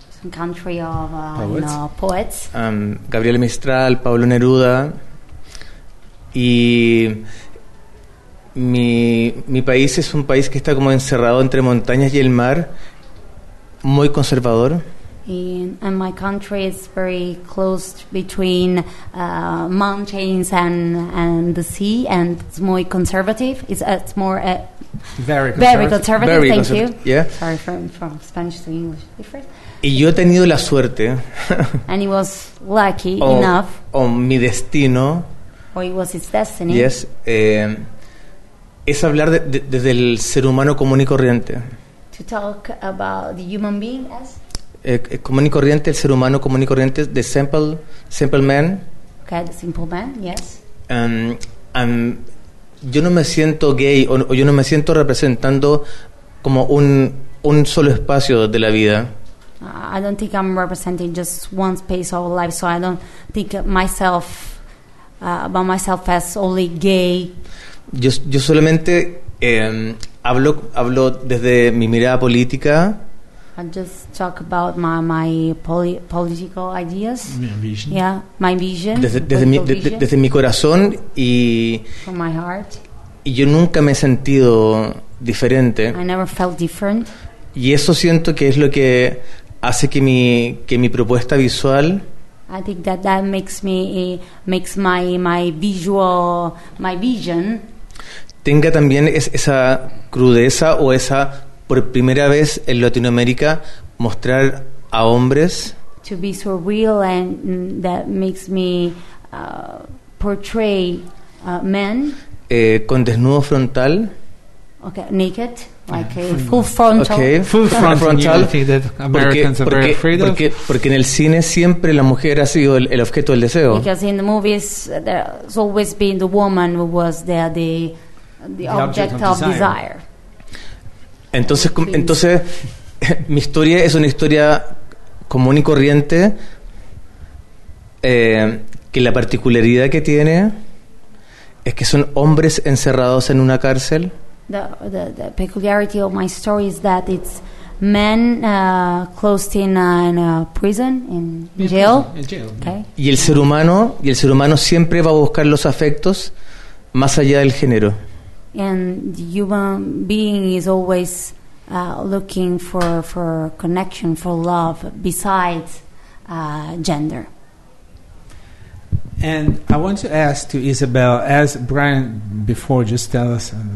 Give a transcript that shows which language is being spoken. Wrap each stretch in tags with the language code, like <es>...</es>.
<en>Country of poets.</en> <es>Gabriel Mistral, Pablo Neruda, y mi país es un país que está como encerrado entre montañas y el mar, muy conservador.</es> <en>And my country is very close between mountains and the sea, and it's</en> <es>muy</es> <en>conservative. It's very conservative. Yeah. Sorry, from Spanish to English difference.</en> <es>Y yo he tenido la suerte.</es> <en>And he was lucky enough.</en> <es>O mi destino.</es> <en>Or it was his destiny. Yes.</en> <es>Es hablar desde el ser humano común y corriente.</es> <en>To talk about the human being as.</en> <es>Común y corriente, el ser humano común y corriente,</es> <en>the simple man. Okay, the simple man, yes.</en> <es>Yo no me siento gay o yo no me siento representando como un solo espacio de la vida.</es> <en>I don't think I'm representing just one space of life, so I don't think myself about myself as only gay.</en> <es>Yo solamente hablo desde mi mirada política.</es> <en>I just talk about my political ideas. My vision.</en> <es>Desde mi corazón y.</es> <en>From my heart.</en> <es>Y yo nunca me he sentido diferente.</es> <en>I never felt different.</en> <es>Y eso siento que es lo que hace que mi propuesta visual.</es> <en>I think that makes my vision.</en> <es>Tenga también esa crudeza o esa por primera vez en Latinoamérica mostrar a hombres.</es> <en>To be so real and that makes me portray men.</en> <es>Con desnudo frontal.</es> <en>Okay, naked. Okay, full frontal. Okay. Full frontal.</en> <es>Porque en el cine siempre la mujer ha sido el objeto del deseo.</es> <en>Because in the movies there's always been the woman who was the object of desire.</en> <es>Entonces mi historia es una historia común y corriente, que la particularidad que tiene es que son hombres encerrados en una cárcel.</es> <en>The peculiarity of my story is that it's men closed in a prison, in jail. Okay.</en> <es>Y el ser humano siempre va a buscar los afectos más allá del género.</es> <en>And the human being is always looking for connection, for love besides gender. And I want to ask to Isabel, as Brian before just tell us.</en>